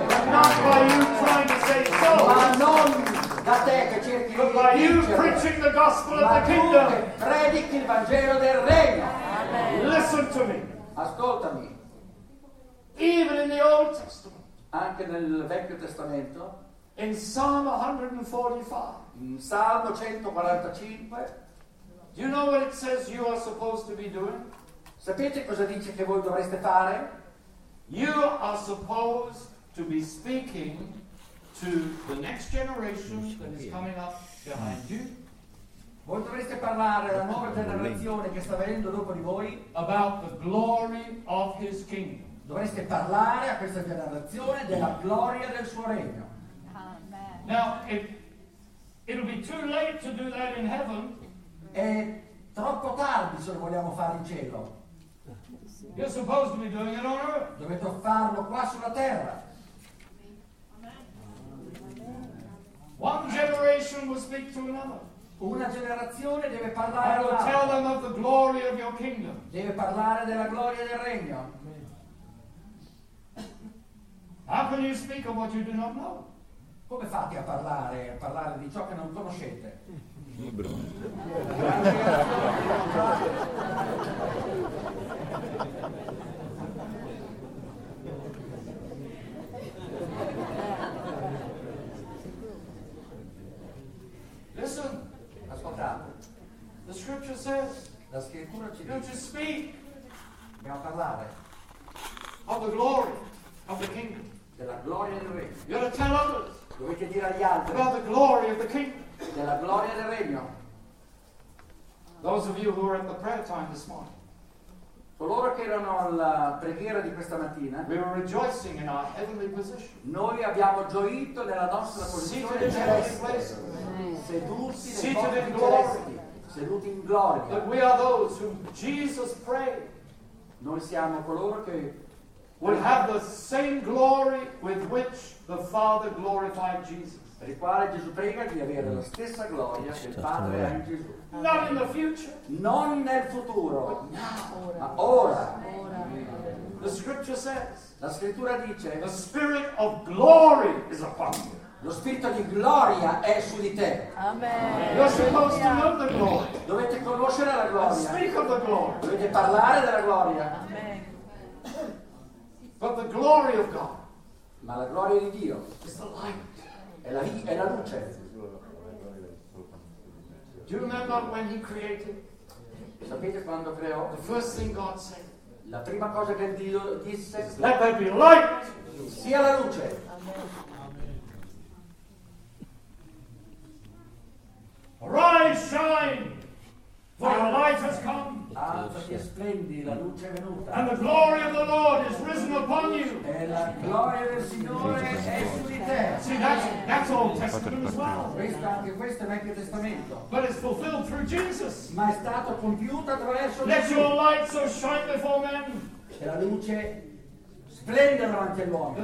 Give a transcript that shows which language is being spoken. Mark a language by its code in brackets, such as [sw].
[en] But not by you trying to save souls. [it] Ma non da te che cerchi di vincere. [en] By you preaching the gospel of the kingdom. [it] Ma tu che predichi il Vangelo del regno. Amen. [en] Listen to me. [it] Ascoltami. [en] Even in the Old Testament. [it] Anche nel Vecchio Testamento. [en] In Psalm 145. [it] In Salmo 145. [en] Do you know what it says you are supposed to be doing? [it] Sapete cosa dice che voi dovreste fare? [en] You are supposed to be speaking to the next generation that is coming up behind you. [it] Voi dovreste parlare alla nuova generazione che sta venendo dopo di voi. [en] About the glory of His kingdom. [it] Dovreste parlare a questa generazione della gloria del suo regno. Amen. [en] Now, it'll be too late to do that in heaven. [it] È troppo tardi se lo vogliamo fare in cielo. [en] You're supposed to be doing it on earth. [it] Dovete farlo qua sulla terra. [en] One generation will speak to another. [it] Una generazione deve parlare. [en] I will tell them of the glory of your kingdom. [it] Deve parlare della gloria del regno. [en] How can you speak of what you do not know? [it] Come fate a parlare di ciò che non conoscete? Libro. [en] Listen. [it] Ascoltate. [en] The scripture says. [it] La scrittura ci dice. [en] Don't you speak. [it] Dobbiamo parlare. [en] of the kingdom. [it] Della gloria del regno. [en] You gotta tell others. [it] Dovete dire agli altri. [en] About the glory of the kingdom. [it] Della gloria del regno. [en] Those of you who were at the prayer time this morning. [it] Coloro che erano alla preghiera di questa mattina, [en] we were rejoicing in our heavenly position. [it] Noi abbiamo gioito nella nostra posizione in celeste, seduti in gloria, seduti in gloria. [en] That we are those whom Jesus prayed. [it] Noi siamo coloro che [en] will have the same glory with which the Father glorified Jesus. [it] Per il quale Gesù prega di avere la stessa gloria che il Padre ha in Gesù. Not in the future. Non nel futuro. Ora. Ma ora. Ora. [en] The scripture says. [it] La scrittura dice. [en] The spirit of glory is upon you. [it] Lo spirito di gloria è su di te. Amen. [en] You're supposed to know the glory. [it] Dovete conoscere la gloria. [en] Speak of the glory. [it] Dovete parlare della gloria. Amen. [en] But the glory of God. [it] Ma la gloria di Dio. [en] Is the light. [it] È la luce. [en] Do you remember when he created? [it] Sapete quando creò? [en] The first thing God said. [it] La prima cosa che Dio disse. [en] Let there be light. [it] Sia la luce. Amen. [en] Arise, shine, for the light has come. [it] Alzati e splendi, la luce è venuta. [en] And the glory of the Lord is risen upon you. [it] E la gloria del Signore è su di te. [en] See, that's Old Testament as well. [it] Questo, anche questo è Vecchio Testamento. [en] But it's fulfilled through Jesus. [it] Ma è stato compiuto attraverso [en] Gesù. Let your light so shine before men. [it] E la luce splenda davanti agli uomini.